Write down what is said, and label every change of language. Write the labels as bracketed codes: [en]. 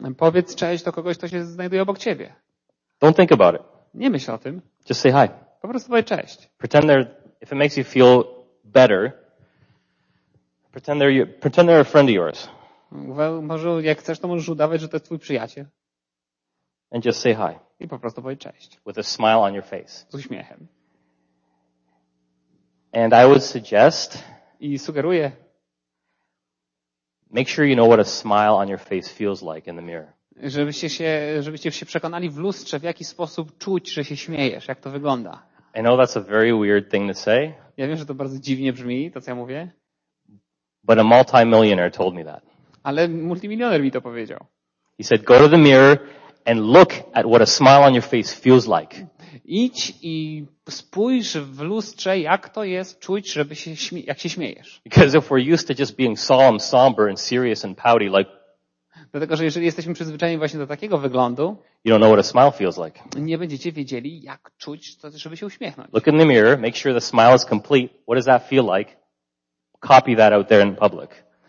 [pl] Powiedz cześć do kogoś, kto się znajduje obok ciebie. [en] Don't think about it. [pl] Nie myśl o tym. [en] Just say hi. [pl] Po prostu powiedz cześć. [en] Pretend they're, if it makes you feel better, pretend they're a friend of yours. Well, [pl] może jak chcesz, to możesz udawać, że to jest twój przyjaciel. [en] And just say hi. [pl] I po prostu powiedz cześć. [en] With a smile on your face. [pl] Z uśmiechem. [en] And I would suggest. [pl] I sugeruję. [en] Make sure you know what a smile on your face feels like in the mirror. [pl] Żebyście się przekonali w lustrze, w jaki sposób czuć, że się śmiejesz, jak to wygląda. [en] I know that's a very weird thing to say. [pl] Ja wiem, że to bardzo dziwnie brzmi, to co ja mówię. [en] But a multimillionaire told me that. [pl] Ale multimilioner mi to powiedział. [en] He said, go to the mirror and look at what a smile on your face feels like. [pl] Idź i spójrz w lustrze, jak to jest czuć, żeby się jak się śmiejesz. [en] Because if we're used to just being solemn, somber and serious and pouty, like. [pl] Dlatego, że jeżeli jesteśmy przyzwyczajeni właśnie do takiego wyglądu, [en] you don't know what a smile feels like. [pl] Nie będziecie wiedzieli, jak czuć, żeby się uśmiechnąć. [en] Look in the mirror, make sure the smile is complete. What does that feel like? Copy that out there in public.